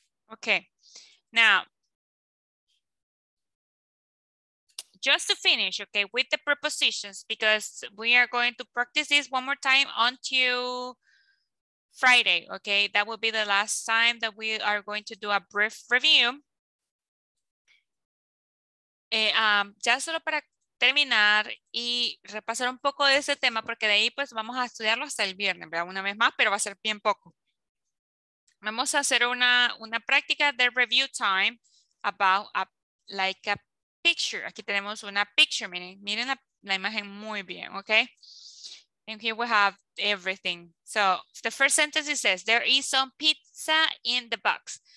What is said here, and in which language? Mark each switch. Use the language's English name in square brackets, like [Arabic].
[English] Okay, now, just to finish, okay, with the prepositions, because we are going to practice this one more time until Friday, okay? That will be the last time that we are going to do a brief review. [Spanish] Ya solo para terminar y repasar un poco de ese tema, porque de ahí pues vamos a estudiarlo hasta el viernes, ¿verdad? Una vez más, pero va a ser bien poco. Vamos a hacer una práctica de [English] review time about like a picture. [Spanish] Aquí tenemos una picture, miren, miren la imagen muy bien, ¿ok? [English] And here we have everything. So the first sentence says, there is some pizza in the box.